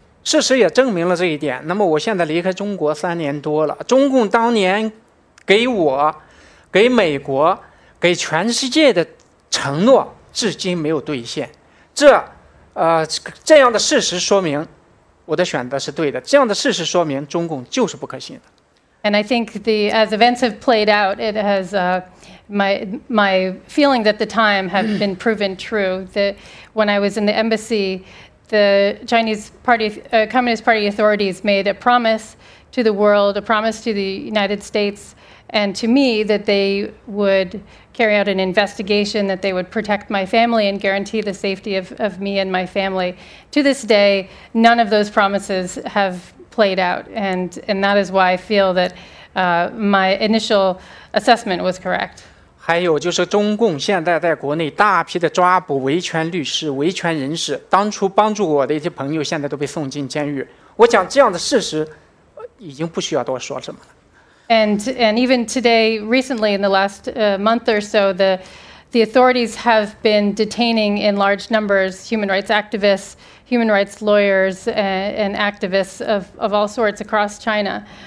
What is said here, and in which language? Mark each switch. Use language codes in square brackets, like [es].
[zh] 事实也证明了这一点。那么我现在离开中国三年多了，中共当年给我给美国给全世界的承诺至今没有兑现，这样的事实说明我的选择是对的，这样的事实说明中共就是不可信的。 [en] And I think as events have played out, it has my feelings at the time have been proven true, that when I was in the embassy, the Chinese Party, Communist Party authorities made a promise to the world, a promise to the United States and to me, that they would carry out an investigation, that they would protect my family and guarantee the safety of me and my family. To this day, none of those promises have played out, and that is why I feel that my initial assessment was correct. [zh] 还有就是中共现在在国内大批的抓捕维权律师、维权人士，当初帮助我的一些朋友现在都被送进监狱。我讲这样的事实，已经不需要多说什么了。 [en] And even today, recently, in the last month or so, the authorities have been detaining in large numbers human rights activists, human rights lawyers, and activists of all sorts across China.